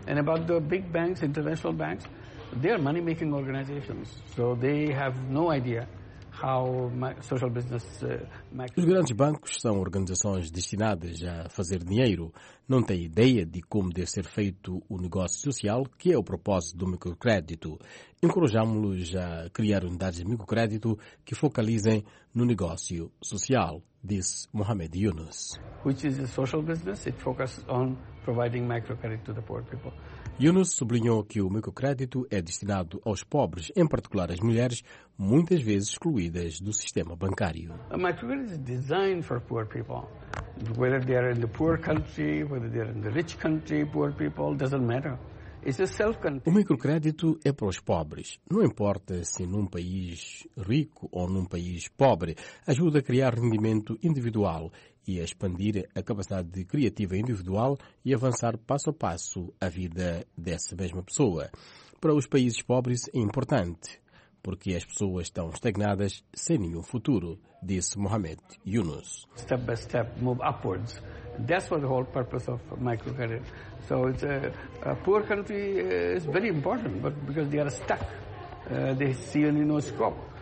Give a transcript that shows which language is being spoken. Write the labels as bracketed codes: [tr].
[en] And about the big banks, international banks, they are money making organizations. So they have no idea how social business [pt] Os grandes bancos são organizações destinadas a fazer dinheiro. Não têm ideia de como deve ser feito o negócio social, que é o propósito do microcrédito. Encorajámo-los a criar unidades de microcrédito que focalizem no negócio social, disse Mohamed Yunus. [en] Which is a social business, it focuses on providing microcredit to the poor people. [pt] Yunus sublinhou que o microcrédito é destinado aos pobres, em particular às mulheres, muitas vezes excluídas do sistema bancário. [en] A microcredit is designed for poor people. Whether they are in the poor country, whether they are in the rich country, poor people, doesn't matter. [pt] O microcrédito é para os pobres. Não importa se num país rico ou num país pobre. Ajuda a criar rendimento individual e a expandir a capacidade criativa individual e avançar passo a passo a vida dessa mesma pessoa. Para os países pobres é importante, porque as pessoas estão estagnadas sem nenhum futuro, disse Mohamed Yunus. [en] Step by step, move upwards. That's what the whole purpose of microcredit. So it's a poor country is very important, but because they are stuck, they see only no scope.